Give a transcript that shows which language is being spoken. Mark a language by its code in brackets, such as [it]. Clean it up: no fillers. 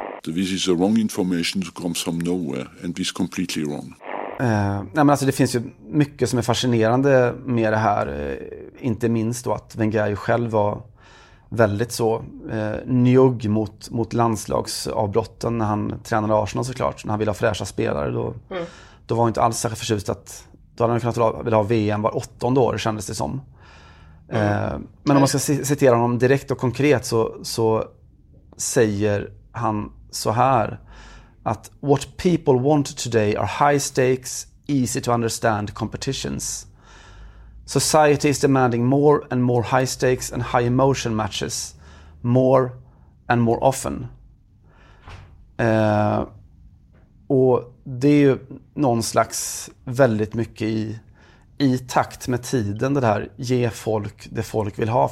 [en] This is the wrong information that comes from nowhere and is completely wrong. [sv] Nej, men alltså det finns ju mycket som är fascinerande med det här. Inte minst då att Wenger ju själv var väldigt så njugg mot landslagsavbrotten när han tränade Arsenal såklart. När han ville ha fräscha spelare då, då var han inte alls särskilt förtjust att då hade han kunnat vilja ha VM var åttonde år kändes det som. Mm. Men om man ska citera honom direkt och konkret så säger han så här att [en] what people want today are high stakes, easy to understand competitions. Society is demanding more and more high stakes and high emotion matches, more and more often. [sv] Och det är ju någon slags väldigt mycket i takt med tiden det här, ge folk det folk vill ha.